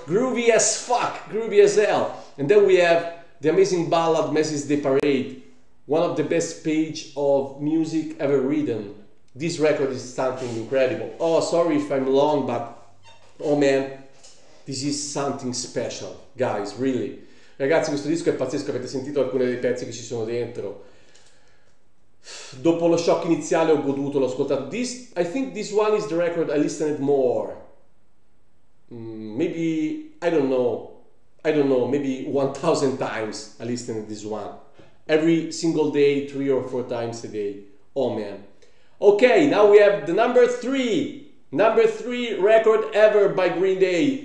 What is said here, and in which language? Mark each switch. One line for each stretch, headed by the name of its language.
English: Groovy as fuck, groovy as hell. And then we have the amazing ballad, Mrs. de Parade. One of the best page of music ever written. This record is something incredible. Oh, sorry if I'm long, but oh man. This is something special, guys, really.
Italian: Ragazzi, questo disco è pazzesco, avete sentito alcuni dei pezzi che ci sono dentro. Dopo lo shock iniziale ho goduto, l'ho ascoltato.
English: This, I think this one is the record I listened more. Maybe, I don't know, maybe 1,000 times I listened this one. Every single day, 3 or 4 times a day. Oh, man. Okay, now we have the number 3. Number 3 record ever by Green Day.